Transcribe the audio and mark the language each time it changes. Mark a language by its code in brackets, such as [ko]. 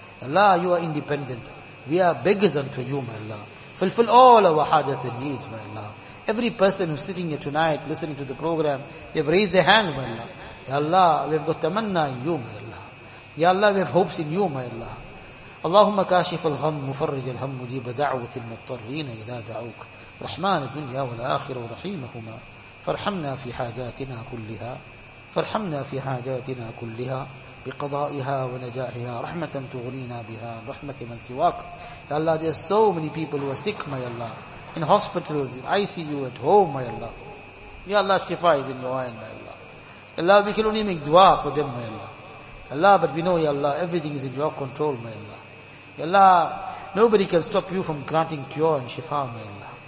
[en] Ya Allah, you are independent. We are beggars unto you, my Allah. Fulfill all our hajat and needs, my Allah. Every person who's sitting here tonight, listening to the program, they have raised their hands, my Allah. Ya Allah, we have got tamanna in you, my Allah. Ya Allah, we have hopes in you, my Allah. [ar] Allahumma kashif al-gham, mufarrij al-hum, mujib da'wat al-muttarrin idha da'uk. رحمن الدنيا والآخرة ورحيمهما فارحمنا في حاجاتنا كلها فارحمنا في حاجاتنا كلها بقضائها ونجاحها رحمة تغنينا بها رحمة من سواك. [en] يا الله, there are so many people who are sick, my Allah, in hospitals, in ICU, at home, my Allah. يا الله, شفاء is in your hand, my Allah. يا الله, we can only make dua for them, my Allah. يا الله, but we know, يا الله, everything is in your control, my Allah. يا الله, nobody can stop you from granting cure and shifa, my Allah.